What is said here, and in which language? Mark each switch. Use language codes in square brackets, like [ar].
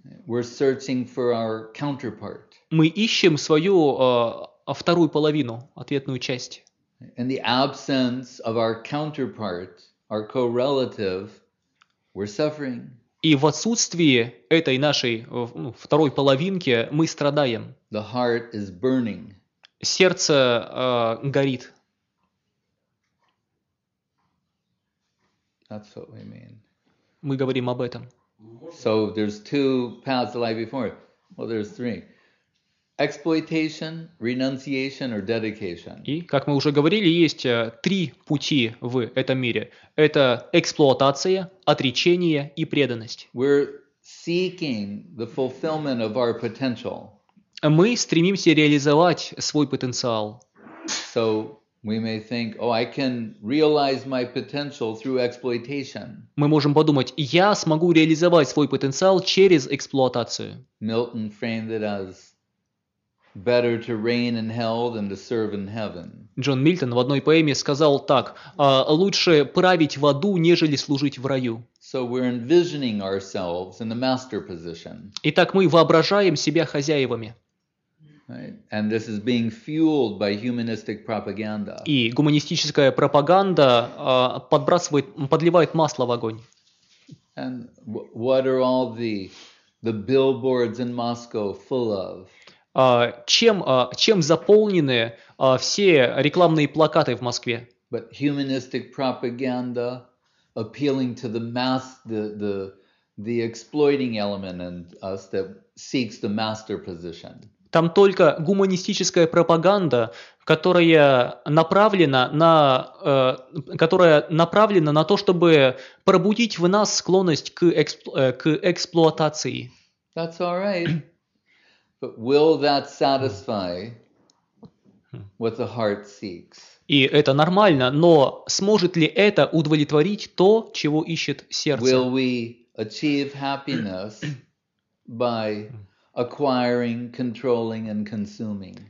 [en] We're searching for our counterpart. [ru] Мы ищем свою вторую половину, ответную часть. [en] In the absence of our counterpart, our co-relative, we're suffering. [ru] И в отсутствии этой нашей второй половинки мы страдаем. [en] The heart is burning. [ru] Сердце горит. [en] That's what we mean. [ru] Мы говорим об этом. [en] So there's two paths of life before. Well, there's three. Exploitation, renunciation, or dedication. [ru] И, как мы уже говорили, есть три пути в этом мире. Это эксплуатация, отречение и преданность. [en] We're seeking the fulfillment of our potential. [ru] Мы стремимся реализовать свой потенциал. [en] So we may think, oh, I can realize my potential through exploitation. [ru] Мы можем подумать, я смогу реализовать свой потенциал через эксплуатацию. [en] Milton framed it as better to reign in hell than to serve in heaven. [ru] Джон Мильтон в одной поэме сказал так: лучше править в аду, нежели служить в раю. [en] So we're envisioning ourselves in the master position. [ru] Итак, мы воображаем себя хозяевами. [en] Right. And this is being fueled by humanistic propaganda. [ru] И гуманистическая пропаганда подбрасывает, подливает масло в огонь. [en] And what are all the billboards in Moscow full of? [ru] Чем заполнены все рекламные плакаты в Москве? [en] But humanistic propaganda appealing to the mass, the exploiting element in us that seeks the master position. [ru] Там только гуманистическая пропаганда, которая направлена на, то, чтобы пробудить в нас склонность к эксплуатации. [en] That's all right. But will that satisfy what the heart seeks? [ru] И это нормально, но сможет ли это удовлетворить то, чего ищет сердце? [en] Will we achieve happiness by acquiring, controlling, and consuming?